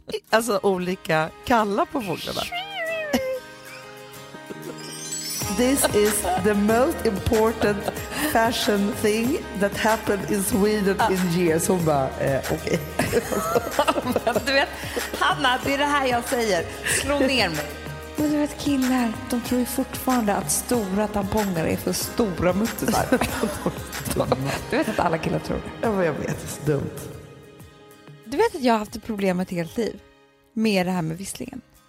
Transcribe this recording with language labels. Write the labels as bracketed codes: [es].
[sv] Alltså olika kalla på fåglarna. [en] This is the most important fashion thing that happened in Sweden in years. [sv] Hon bara, okej. [en] Okay. [sv] Du vet, Hanna, det är det här jag säger. Slå ner mig. Men du vet, killar, de tror ju fortfarande att stora tamponger är för stora muttisar. Du vet att alla killar tror det. Ja, jag vet, det är så dumt. Du vet att jag har haft ett problem med ett helt liv. Med det här med visslingen.